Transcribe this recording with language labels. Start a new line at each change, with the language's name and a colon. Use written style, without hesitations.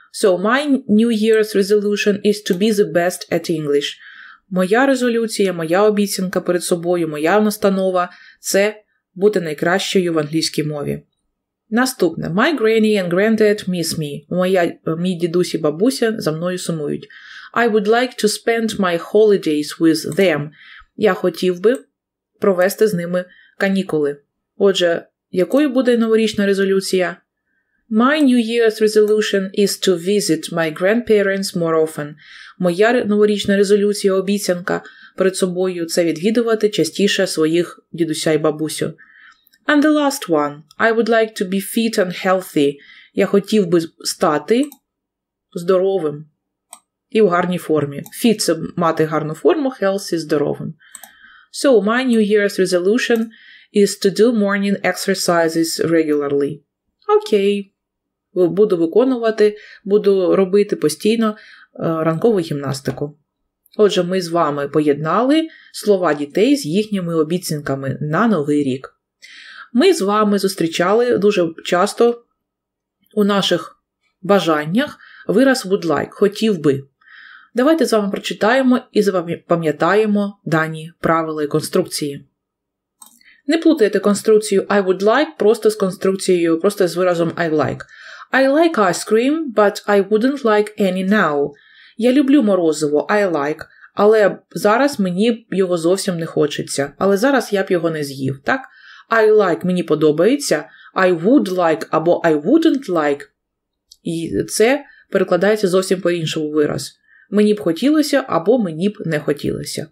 English: So, my New Year's resolution is to be the best at English.
Ukrainian: Моя резолюція, моя обіцянка перед собою, моя настанова – це бути найкращою в англійській мові. Наступне.
English: My granny and granddad miss me.
Ukrainian: Мій дідусь і бабуся за мною сумують.
English: I would like to spend my holidays with them.
Ukrainian: Я хотів би провести з ними канікули. Отже, якою буде новорічна резолюція?
English: My New Year's resolution is to visit my grandparents more often.
Ukrainian: Моя новорічна резолюція, обіцянка перед собою – це відвідувати частіше своїх дідуся і бабусю.
English: And the last one. I would like to be fit and healthy.
Ukrainian: Я хотів би стати здоровим і в гарній формі.
English: Fit –
Ukrainian: це мати гарну форму,
English: healthy –
Ukrainian: здоровим.
English: So, my New Year's resolution is to do morning exercises regularly. Окей.
Ukrainian: Буду виконувати, буду робити постійно ранкову гімнастику. Отже, ми з вами поєднали слова дітей з їхніми обіцянками на новий рік. Ми з вами зустрічали дуже часто у наших бажаннях вираз
English: would like,
Ukrainian: хотів би. Давайте з вами прочитаємо і запам'ятаємо дані правила і конструкції. Не плутайте конструкцію
English: I would like
Ukrainian: просто з конструкцією, просто з виразом
English: I like. I like ice cream, but I wouldn't like any now.
Ukrainian: Я люблю морозиво,
English: I like,
Ukrainian: але зараз мені його зовсім не хочеться. Але зараз я б його не з'їв, так?
English: I like,
Ukrainian: мені подобається.
English: I would like
Ukrainian: або
English: I wouldn't like.
Ukrainian: І це перекладається зовсім по-іншому вираз. Мені б хотілося або мені б не хотілося.